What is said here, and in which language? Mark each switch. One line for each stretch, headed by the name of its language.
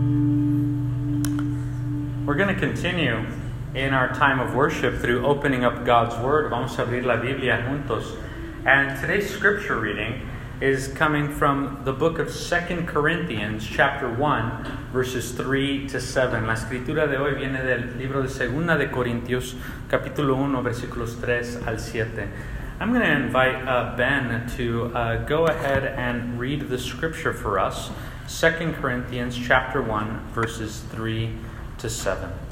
English: We're going to continue in our time of worship through opening up God's Word.
Spanish: Vamos a abrir la Biblia juntos.
English: And today's scripture reading is coming from the book of 2 Corinthians, chapter 1, verses 3 to 7.
Spanish: La escritura de hoy viene del libro de 2 de Corintios, capítulo 1, versículos 3 al 7.
English: I'm going to invite Ben to go ahead and read the scripture for us, 2 Corinthians chapter 1, verses 3 to 7.